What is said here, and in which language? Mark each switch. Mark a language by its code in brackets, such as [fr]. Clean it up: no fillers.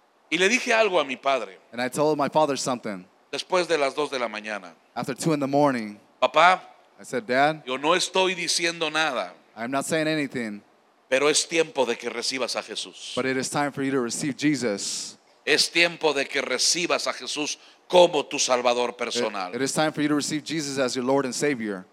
[es] Y le dije algo a mi padre. [en] And I told my father something. [es] Después de las 2 de la mañana. [en] After 2 in the morning. [es] Papá. [en] I said, Dad. [es] Yo no estoy diciendo nada. [en] I'm not saying anything. [es] Pero es tiempo de que recibas a Jesús. [en] But it is time for you to receive Jesus. [es] Es tiempo de que recibas a Jesús como tu Salvador personal. [en] It is time for you to receive Jesus as your Lord and Savior.